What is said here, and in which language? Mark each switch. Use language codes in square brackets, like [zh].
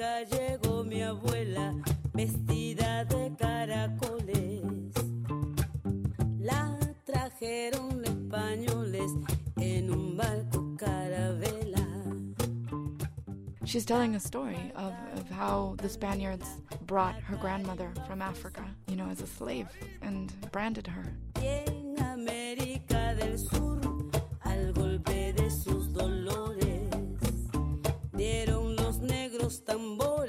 [es] Llegó mi abuela vestida de caracoles. La trajeron españoles en un barco carabela. [en] She's telling a story of how the Spaniards brought her grandmother from Africa, you know, as a slave, and branded her. [es] En América del Sur, al golpe de sus dolores, dieron los negros tambores.